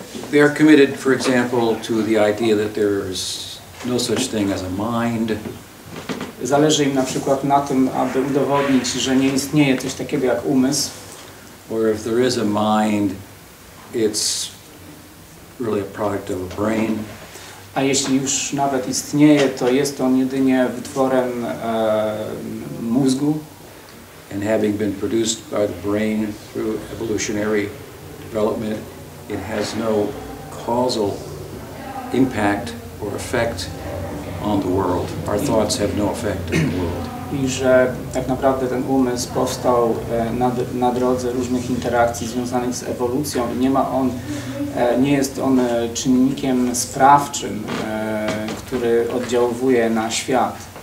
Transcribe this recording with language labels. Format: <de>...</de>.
<en>They are committed, for example, to the idea that there is no such thing as a mind.</en> <pl>Zależy im na przykład na tym, aby udowodnić, że nie istnieje coś takiego jak umysł.</pl> <en>Or if there is a mind, it's really a product of a brain.</en> <pl>A jeśli już nawet istnieje, to jest on jedynie wytworem mózgu.</pl> <en>And having been produced by the brain through evolutionary development, it has no causal impact or effect on the world. Our thoughts have no effect on the world.</en> <pl>I że tak naprawdę ten umysł powstał na drodze różnych interakcji związanych z ewolucją i nie jest on czynnikiem sprawczym, który oddziałuje na świat.</pl>